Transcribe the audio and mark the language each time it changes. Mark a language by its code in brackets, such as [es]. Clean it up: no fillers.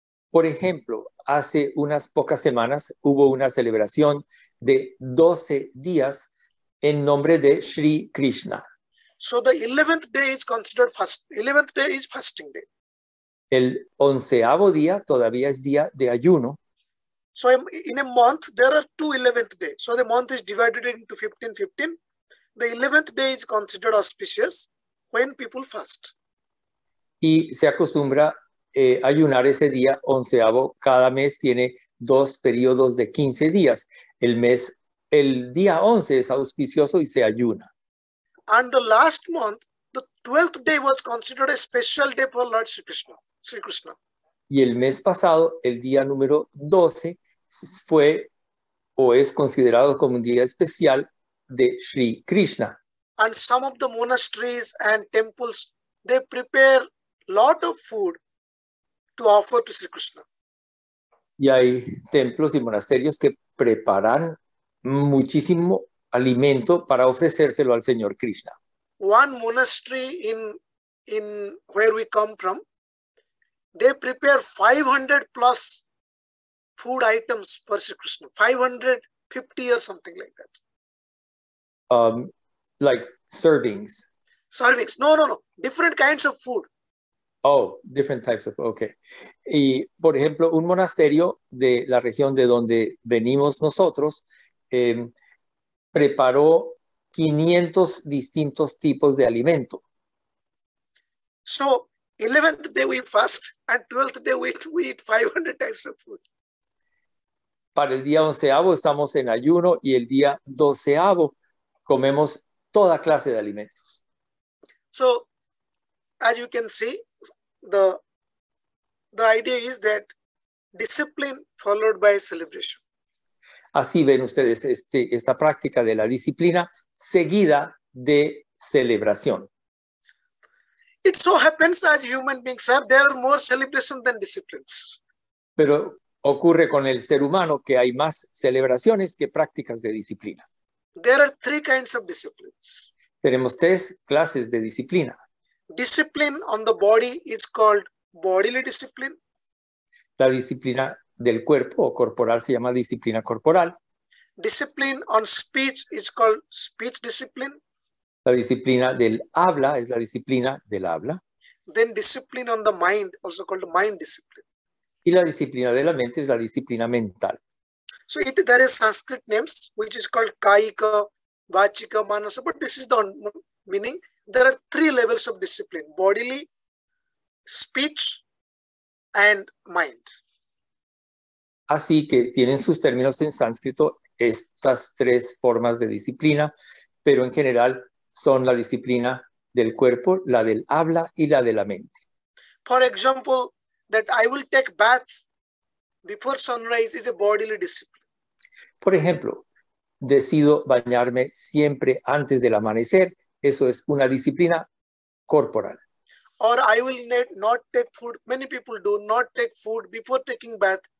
[es] Por ejemplo, hace unas pocas semanas hubo una celebración de 12 días en nombre de Sri Krishna. [en] So the 11th day is considered fast. 11th day is fasting day. [es] El onceavo día todavía es día de ayuno. [en] So in a month, there are 2 11th days. So the month is divided into 15-15. The 11th day is considered auspicious when people fast. [es] Y se acostumbra ayunar ese día onceavo. Cada mes tiene 2 periodos de 15 días. El día 11 es auspicioso y se ayuna. [en] And the last month, the 12th day was considered a special day for Lord Sri Krishna. [es] Y el mes pasado, el día número 12, fue o es considerado como un día especial de Sri Krishna. [en] And some of the monasteries and temples, they prepare lot of food to offer to Sri Krishna. [es] Y hay templos y monasterios que preparan muchísimo alimento para ofrecérselo al Señor Krishna. [en] One monastery in where we come from, they prepare 500 plus food items for Sri Krishna, 550 or something like that. Like servings. Servings. No, no, no. Different kinds of food. Oh, different types of, okay. [es] Y, por ejemplo, un monasterio de la región de donde venimos nosotros preparó 500 distintos tipos de alimento. [en] So, 11th day we fast and 12th day we eat 500 types of food. [es] Para el día 11º estamos en ayuno y el día 12º comemos toda clase de alimentos. [en] So, as you can see, the idea is that discipline followed by celebration. [es] Así ven ustedes esta práctica de la disciplina seguida de celebración. [en] It so happens as human beings are, there are more celebrations than disciplines. [es] Pero ocurre con el ser humano que hay más celebraciones que prácticas de disciplina. [en] There are three kinds of disciplines. [es] Tenemos tres clases de disciplina. [en] Discipline on the body is called bodily discipline. [es] La disciplina del cuerpo o corporal se llama disciplina corporal. [en] Discipline on speech is called speech discipline. [es] La disciplina del habla es la disciplina del habla. [en] Then discipline on the mind, also called mind discipline. [es] Y la disciplina de la mente es la disciplina mental. [en] So it, there is Sanskrit names, which is called kayika, vachika, manasa, but this is the meaning. There are three levels of discipline, bodily, speech, and mind. [es] Así que tienen sus términos en sánscrito estas tres formas de disciplina, pero en general son la disciplina del cuerpo, la del habla y la de la mente. [en] For example, that I will take baths before sunrise is a bodily discipline. [es] Por ejemplo, decido bañarme siempre antes del amanecer. Eso es una disciplina corporal. [en] Or I will not take food. Many people do not take food before taking bath.